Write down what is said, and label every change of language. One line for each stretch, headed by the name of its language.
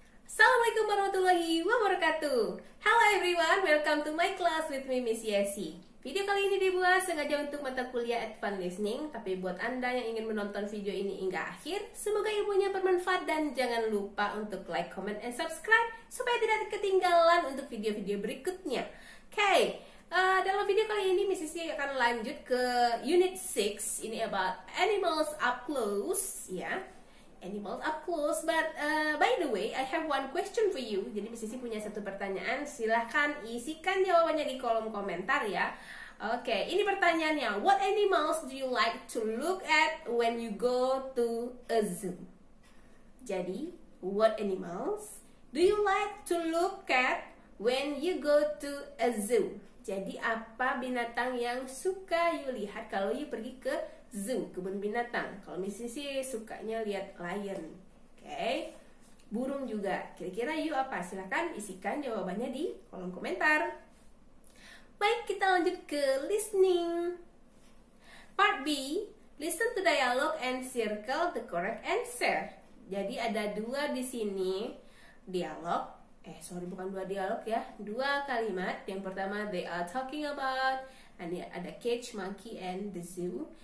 English: Hello everyone, welcome to my class with me, Miss Yessy.
Indonesian: Video kali ini dibuat sengaja untuk mata kuliah Advanced Listening, tapi buat Anda yang ingin menonton video ini hingga akhir, semoga ilmunya bermanfaat dan jangan lupa untuk like, comment, and subscribe supaya tidak ketinggalan untuk video-video berikutnya. Okay, dalam video kali ini, Miss Yessy akan lanjut ke Unit 6, ini about animals up close, ya.
English: Animals up close, but by the way, I have one question for you.
Indonesian: Jadi Miss Yessy punya satu pertanyaan, silahkan isikan jawabannya di kolom komentar ya. Oke, okay, ini pertanyaannya.
English: What animals do you like to look at when you go to a zoo? Jadi, what animals do you like to look at when you go to a zoo?
Indonesian: Jadi, apa binatang yang suka you lihat kalau you pergi ke zoo, kebun binatang? Kalau misalnya sukanya lihat lion, okay? Burung juga. Kira-kira you apa? Silahkan isikan jawabannya di kolom komentar. Baik, kita lanjut ke listening.
English: Part B, listen to dialogue and circle the correct answer.
Indonesian: Jadi ada dua di sini, dialog.
English: Dua kalimat. Yang pertama, they are talking about, and ada cage monkey and the zoo.